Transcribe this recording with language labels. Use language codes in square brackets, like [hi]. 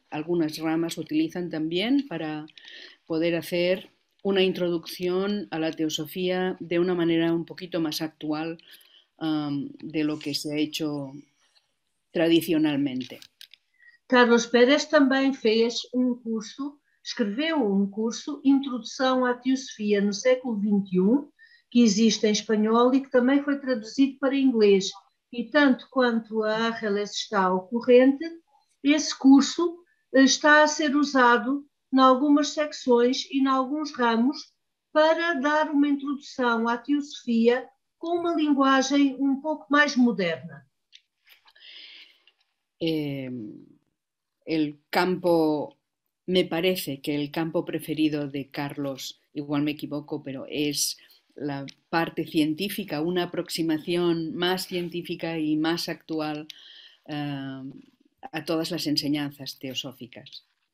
[es] algunas ramas utilizan también para poder hacer una introducción a la teosofía de una manera un poquito más actual de lo que se ha hecho tradicionalmente. Carlos Pérez también [pt] fez [es] un curso, escribió un curso, Introducción a Teosofía en el siglo XXI, que existe en español y que también fue traducido para inglés. [pt] E tanto quanto a Arreles está ocorrente, esse curso está a ser usado em algumas secções e em alguns ramos para dar uma introdução à teosofia com uma linguagem um pouco mais moderna. [es] El campo, me parece que el campo preferido de Carlos, igual me equivoco, pero es la parte científica, una aproximación más científica y más actual a todas las enseñanzas teosóficas.